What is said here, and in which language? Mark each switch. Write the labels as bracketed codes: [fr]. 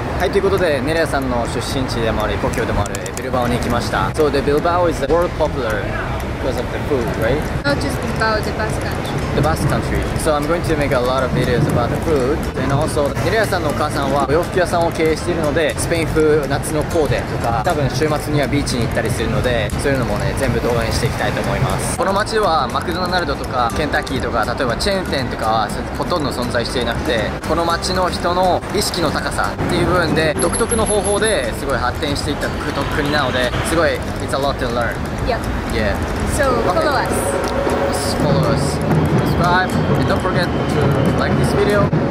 [ja] ということで、ネレアさんの出身地でもあり故郷でもあるビルバオに行きました。 [en] So the Bilbao is the world popular because of the food, right? Not just Bilbao, the Basque country. The Basque country. So I'm going to make a lot of videos about the food. And also, [ja] ネレアさんのお母さんはお洋服屋さんを経営しているので、スペイン風夏のコーデとか、多分週末にはビーチに行ったりするので、そういうのもね、全部動画にしていきたいと思います。この街はマクドナルドとかケンタッキーとか、例えばチェーン店とかはほとんど存在していなくて、この街の人の意識の高さっていう部分で、独特の方法ですごい発展していった国なので、すごい [en] It's a lot to learn. Yeah. Yeah. So follow us. Follow us. Subscribe and don't forget to like this video.